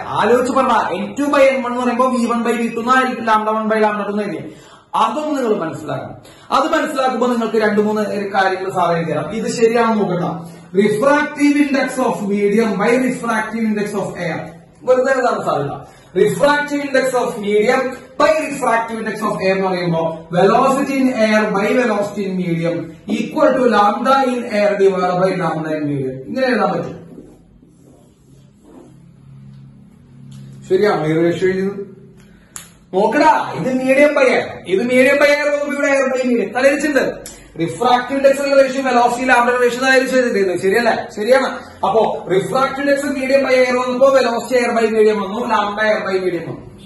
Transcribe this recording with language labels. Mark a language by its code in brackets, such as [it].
[ml] ആലോചിച്ച് പറഞ്ഞാൽ N two by N one എന്ന് പറയുമ്പോൾ V one by V two എന്നായിരിക്കും lambda one by lambda two എന്നായിരിക്കും. അതും നിങ്ങൾ മനസ്സിലാക്കണം. അത് മനസ്സിലാക്കുമ്പോൾ നിങ്ങൾക്ക് രണ്ടു മൂന്ന് കാര്യങ്ങൾ സാധനം തരാം. ഇത് ശരിയാണെന്ന് നോക്കണം. [en] refractive index of medium by refractive index of air [ml] വെറുതെ എഴുതാൻ സാധ്യത. [en] Refractive index of medium by refractive index of air പറയുമ്പോ velocity in air by velocity in medium equal to lambda in air divided by lambda in medium. [ml] ഇങ്ങനെ എഴുതാൻ പറ്റും. ശരിയാണ്, നോക്കടാ, ഇത് മീഡിയം ബൈ എയർ, ഇത് മീഡിയം ബൈ എയർ ഇവിടെ air by medium തലയിച്ചിട്ടുണ്ട്. Refractive index ഉള്ള റേഷ്യം വെലോസിറ്റി ലാംഡ റേഷ്യം ആയിരിക്കും, ശരിയല്ലേ? ശരിയാണ്. അപ്പോ refractive index medium by air വന്നപ്പോ വെലോസിറ്റി എയർ ബൈ മീഡിയം വന്നു, ലാംഡ എയർ ബൈ മീഡിയം വന്നു.